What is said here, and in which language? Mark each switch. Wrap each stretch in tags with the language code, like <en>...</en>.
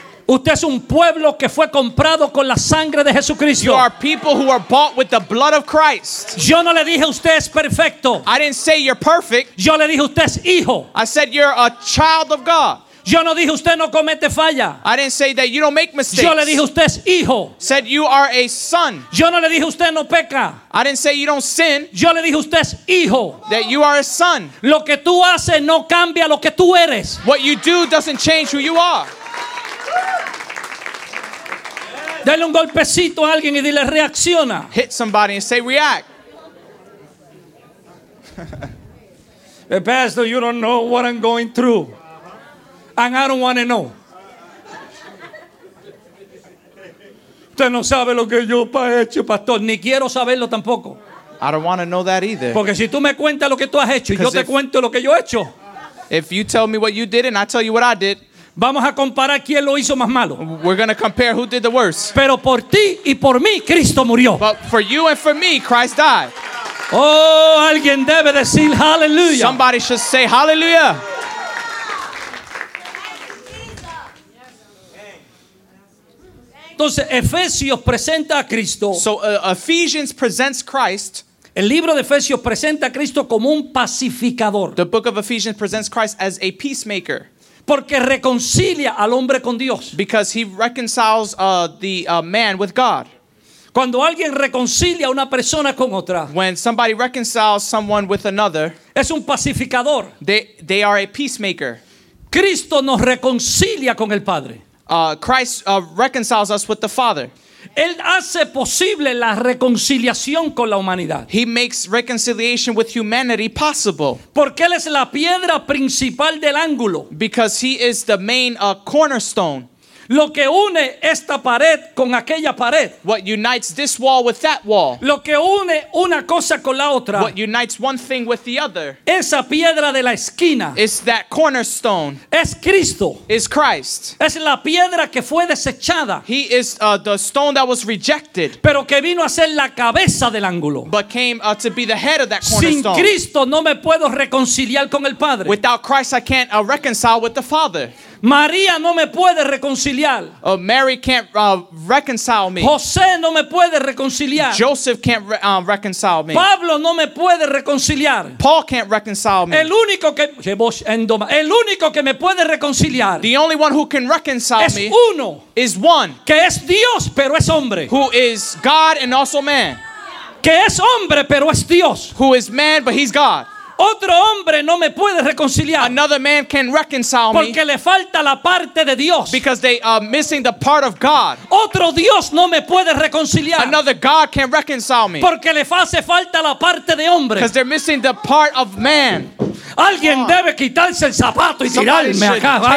<es>Usted es un pueblo que fue comprado con la sangre de Jesucristo.</es> <en>You are people who are bought with the blood of Christ.</en> <es>Yo no le dije usted es perfecto.</es> <en>I didn't say you're perfect.</en> <es>Yo le dije usted es hijo.</es> <en>I said you're a child of God.</en> <es>Yo no dije usted no comete falla.</es> <en>I didn't say that you don't make mistakes.</en> <es>Yo le dije usted es hijo.</es> <en>Said you are a son.</en> <es>Yo no le dije usted no peca.</es> <en>I didn't say you don't sin.</en> <es>Yo le dije usted es hijo.</es> <en>That you are a son.</en> <es>Lo que tú haces no cambia lo que tú eres.</es> <en>What you do doesn't change who you are.</en> <es>Dale un golpecito a alguien y dile reacciona.</es> <en>Hit somebody and say react. Pastor, you don't know what I'm going through. And I don't want to know.</en> <es>Usted no sabe lo que yo he hecho, pastor. Ni quiero saberlo tampoco.</es> <en>I don't want to know that either.</en> <es>Porque si tú me cuentas lo que tú has hecho, yo te cuento lo que yo he hecho.</es> <en>If you tell me what you did and I tell you what I did.</en> <es>Vamos a comparar quién lo hizo más malo.</es> <en>We're going to compare who did the worst.</en> <es>Pero por ti y por mí, Cristo murió.</es> <en>But for you and for me, Christ died.</en> <es>Oh, alguien debe decir hallelujah.</es> <en>Somebody should say hallelujah.</en> <es>Entonces, Efesios presenta a Cristo.</es> <en>So, Ephesians presents Christ.</en> <es>El libro de Efesios presenta a Cristo como un pacificador.</es> <en>The book of Ephesians presents Christ as a peacemaker.</en> <es>Porque reconcilia al hombre con Dios.</es> <en>Because he reconciles the man with God.</en> <es>Cuando alguien reconcilia a una persona con otra.</es> <en>When somebody reconciles someone with another.</en> <es>Es un pacificador.</es> <en>They are a peacemaker.</en> <es>Cristo nos reconcilia con el Padre.</es> <en>Christ reconciles us with the Father.</en> <es>Él hace posible la reconciliación con la humanidad.</es> <en>He makes reconciliation with humanity possible.</en> <es>Porque él es la piedra principal del ángulo.</es> <en>Because he is the main cornerstone.</en> <es>Lo que une esta pared con aquella pared.</es> <en>What unites this wall with that wall.</en> <es>Lo que une una cosa con la otra.</es> <en>What unites one thing with the other.</en> <es>Esa piedra de la esquina.</es> <en>Is that cornerstone.</en> <es>Es Cristo.</es> <en>Is Christ.</en> <es>Es la piedra que fue desechada.</es> <en>He is the stone that was rejected.</en> <es>Pero que vino a ser la cabeza del ángulo.</es> <en>But came to be the head of that cornerstone.</en> <es>Sin Cristo no me puedo reconciliar con el Padre.</es> <en>Without Christ I can't reconcile with the Father.</en> <es>María no me puede reconciliar.</es> <en>Mary can't reconcile me.</en> <es>José no me puede reconciliar.</es> <en>Joseph can't reconcile me.</en> <es>Pablo no me puede reconciliar.</es> <en>Paul can't reconcile me.</en> <es>El único que me puede reconciliar.</es> <en>The only one who can reconcile</en> <es>es</es> <en>me.</en> <es>Es uno.</es> <en>Is one.</en> <es>Que es Dios, pero es hombre.</es> <en>Who is God and also man.</en> <es>Que es hombre, pero es Dios.</es> <en>Who is man, but he's God.</en> <es>Otro hombre no me puede reconciliar.</es> <en>Another man can reconcile me.</en> <es>Porque le falta la parte de Dios.</es> <en>Because they are missing the part of God.</en> <es>Otro Dios no me puede reconciliar.</es> <en>Another God can reconcile me.</en> <es>Porque le hace falta la parte de hombre.</es> <en>Because they're missing the part of man.</en> <es>Alguien debe quitarse el zapato y tirarme acá algo.</es>